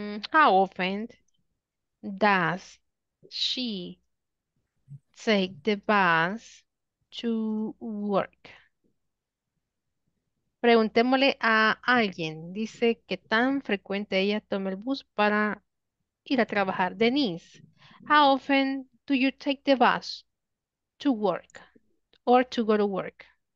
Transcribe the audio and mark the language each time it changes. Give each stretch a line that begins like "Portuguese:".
English: How often does she take the bus to work?
Spanish: Preguntémosle a alguien. Dice que tan frecuente ella toma el bus para ir a trabajar.
English: Denise, how often do you take the bus to work or to go to work?